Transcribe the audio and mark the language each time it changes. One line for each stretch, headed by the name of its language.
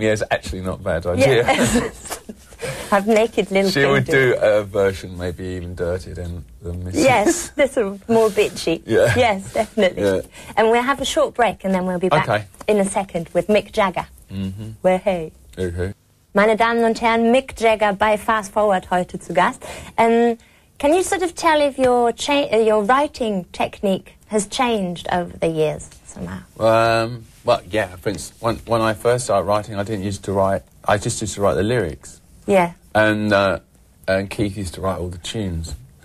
English: yeah, it's actually not a bad idea. Yeah. Have naked Lil' Kim. She would do a version maybe even dirtier than Missy. Yes, this is more bitchy. Yeah. Yes, definitely. Yeah. And we'll have a short break and then we'll be back in a second with Mick Jagger. Mm-hmm. Where he? Okay.
German: Meine Damen und Herren, Mick Jagger bei Fast Forward heute zu Gast.
English: Can you sort of tell if your writing technique has changed over the years somehow? Well, yeah, for instance, when I first started writing, I didn't used to write the lyrics. Yeah. And Keith used to write all the tunes.